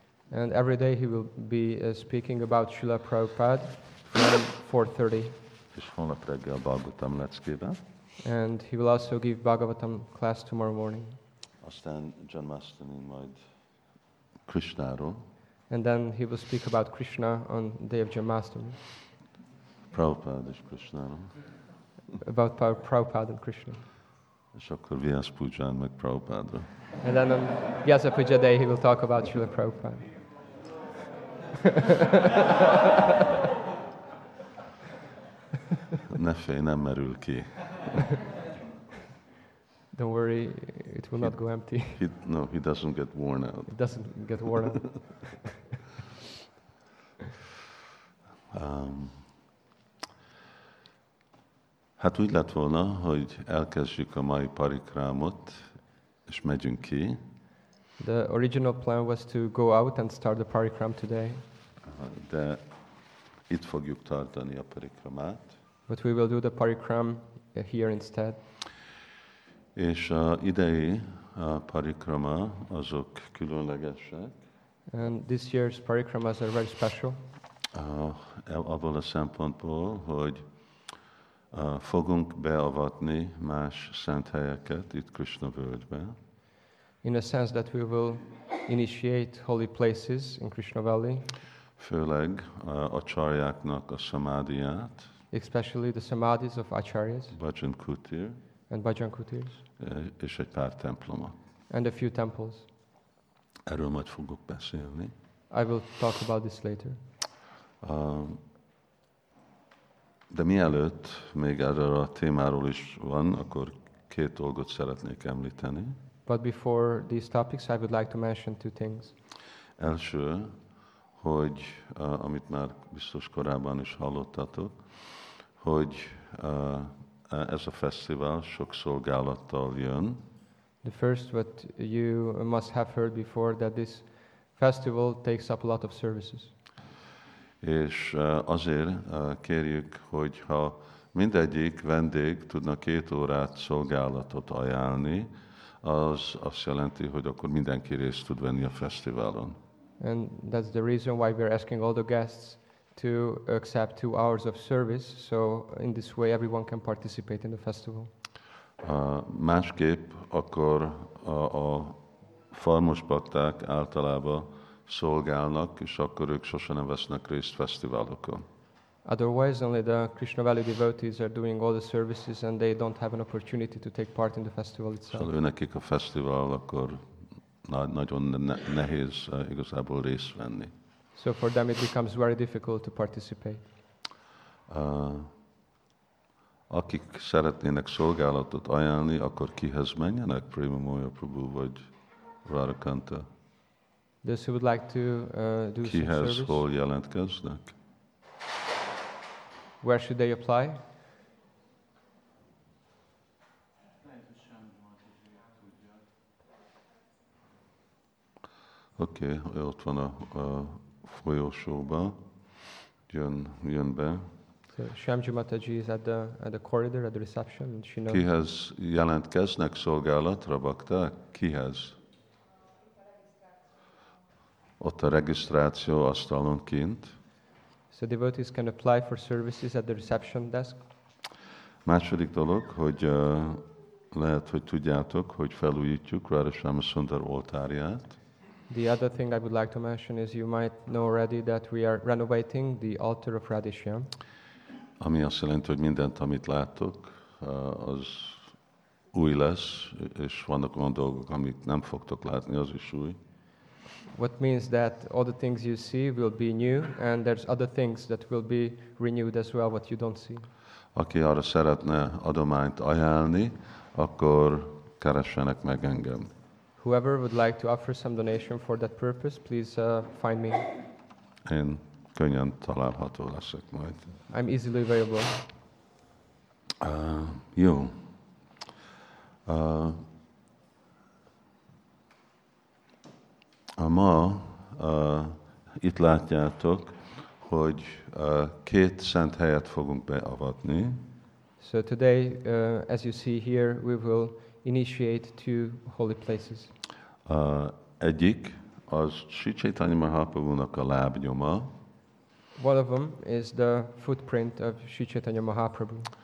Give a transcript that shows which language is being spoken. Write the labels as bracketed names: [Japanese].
[English] And every day he will be speaking about Srila Prabhupada from 4:30. [Hungarian] És holnap reggel Bhagavatam leckében. [English] And he will also give Bhagavatam class tomorrow morning. [Hungarian] Aztán Janmashtami majd Krishnáról. [English] And then he will speak about Krishna on day of Janmashtami. [Hungarian] Prabhupada és Krishnáról. [English] About Prabhupada and Krishna. [Hungarian] És akkor Vyasa Pujján meg Prabhupádra. [English] And then on Vyasa Puja day he will talk about Srila Prabhupada. [Hungarian] Ne félj, nem merül ki. [English] Don't worry, it will not go empty. He doesn't get worn out. It doesn't get worn out. [Hungarian] Hát úgy lett volna, hogy elkezdjük a mai parikrámot, és megyünk ki. [English] The original plan was to go out and start the parikram today. [Hungarian] De itt fogjuk tartani a parikramát. [English] But we will do the parikram here instead. [Hungarian] És a idei parikrama azok különlegesek. [English] And this year's parikramas are very special. [Hungarian] Abból a szempontból, hogy fogunk beavatni más szent helyeket itt Krishna völgybe. [English] In a sense that we will initiate holy places in Krishna Valley. [Hungarian] Főleg acharyáknak a samádiát. [English] Especially the samadhis of acharyas. [Hungarian] Bhajan Kutir. [English] And Bhajan Kutir. [Hungarian] És egy pár templomot. [English] And a few temples. [Hungarian] Erről majd fogok beszélni. [English] I will talk about this later. [Hungarian] De mielőtt még erről a témáról is van, akkor két dolgot szeretnék említeni. [English] But before these topics, I would like to mention two things. [Hungarian] Első, hogy amit már biztos korábban is hallottatok, hogy ez a fesztivál sok szolgálattal jön. [English] The first, what you must have heard before, that this festival takes up a lot of services. [Hungarian] És azért kérjük, hogyha mindegyik vendég tudna két órát szolgálatot ajánlni, az azt jelenti, hogy akkor mindenki részt tud venni a fesztiválon. [English] And that's the reason why we're asking all the guests to accept 2 hours of service, so in this way everyone can participate in the festival. [Hungarian] Másképp akkor a farmos bakták általában szolgálnak, és akkor ők sosem nem vesznek részt fesztiválokon. [English] Otherwise, only the Krishna Valley devotees are doing all the services, and they don't have an opportunity to take part in the festival itself. [Hungarian] Szóval őnekik a fesztivál akkor nagyon nehéz igazából részt venni. [English] So for them it becomes very difficult to participate. [Hungarian] Akik szeretnének szolgálatot ajánlani, akkor kihez menjenek? Prema Maya Prabhu vagy Radhakanta? [English] Those who would like to do [Hungarian] kihez [English] some service? [Hungarian] Kihez hol jelentkeznek? [English] Where should they apply? [Hungarian] Oké, okay, ott van a folyosóba, jön be. [English] So Shyamji Mataji is at the corridor, at the reception, and she knows. [Hungarian] Kihez jelentkeznek szolgálatra, bakta? Kihez? Ott a regisztráció asztalon kint. [English] So devotees can apply for services at the reception desk. [Hungarian] Második dolog, hogy lehet, hogy tudjátok, hogy felújítjuk Rarasama Sundar oltárját. [English] The other thing I would like to mention is you might know already that we are renovating the altar of Radhishyam. [Hungarian] Ami azt jelenti, hogy mindent, amit láttok, az új lesz, és vannak olyan dolgok, amit nem fogtok látni, az is új. [English] What means that all the things you see will be new, and there's other things that will be renewed as well, what you don't see. [Hungarian] Aki arra szeretne adományt ajánlni, akkor keressenek meg engem. [English] Whoever would like to offer some donation for that purpose, please find me. [Hungarian] Én könnyen található leszek majd. [English] I'm easily available. [Hungarian] Jó. Ma itt látjátok, hogy két szent helyet fogunk beavatni. [English] So today, as you see here, we will initiate two holy places. [Hungarian] Egyik az Sri Chaitanya Mahaprabhu-nak a lábnyoma. [English] One of them is the footprint of Sri Chaitanya Mahaprabhu.